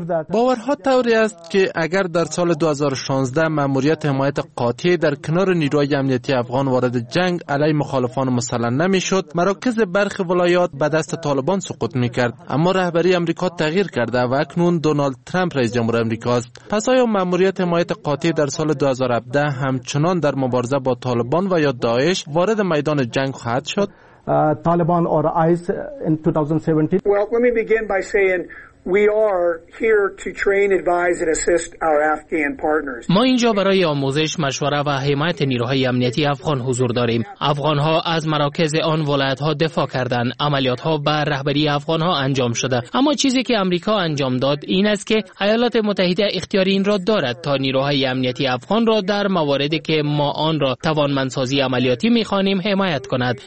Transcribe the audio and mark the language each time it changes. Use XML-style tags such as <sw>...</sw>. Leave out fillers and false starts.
<fa>باورها طوری است که اگر در سال 2016 ماموریت حمایت قاطع در کنار نیروهای امنیتی افغان وارد جنگ علی مخالفان مسلح نمی‌شد، مراکز برخی ولایات به دست طالبان سقوط می‌کرد. اما رهبری آمریکا تغییر کرده و اکنون دونالد ترامپ رئیس جمهور آمریکا است. پس آیا ماموریت حمایت قاطع در سال 2017 همچنان در مبارزه با طالبان و یا داعش وارد میدان جنگ خواهد شد؟</fa> <en>Taliban or ISIS in 2017. Well, let me begin by saying we are here to train, advise and assist our Afghan partners.</en> <fa>ما اینجا برای آموزش، مشوره و حمایت نیروهای امنیتی افغان حضور داریم. افغان‌ها از مراکز آن ولایت‌ها دفاع کردند. عملیات‌ها بر رهبری افغان‌ها انجام شده. اما چیزی که آمریکا انجام داد این است که ایالات متحده اختیار این را دارد تا نیروهای امنیتی افغان را در مواردی که ما آن را توانمندسازی عملیاتی می‌خوانیم حمایت کند.</fa>